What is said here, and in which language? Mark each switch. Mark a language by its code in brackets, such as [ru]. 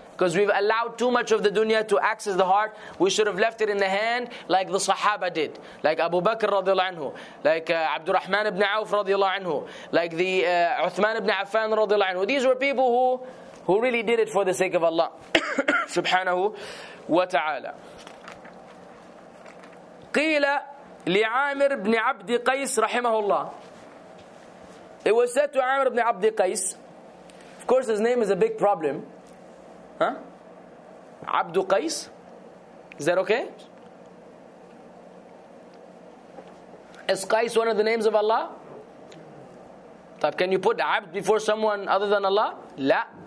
[en] Because we've allowed too much of the dunya to access the heart. We should have left it in the hand like the Sahaba did. Like Abu Bakr radiallahu anhu. Like Abdurrahman ibn Auf radiallahu anhu. Like the Uthman ibn Affan radiallahu anhu. These were people who really did it for the sake of Allah. Subhanahu wa ta'ala. [ar] قيل لعامر بن عبد قيس رحمه الله. [en] It was said to Amr ibn Abd Qais. Of course his name is a big problem. Huh? Abd Qais? Is that okay? Is Qais one of the names of Allah? Can you put Abd before someone other than Allah? La.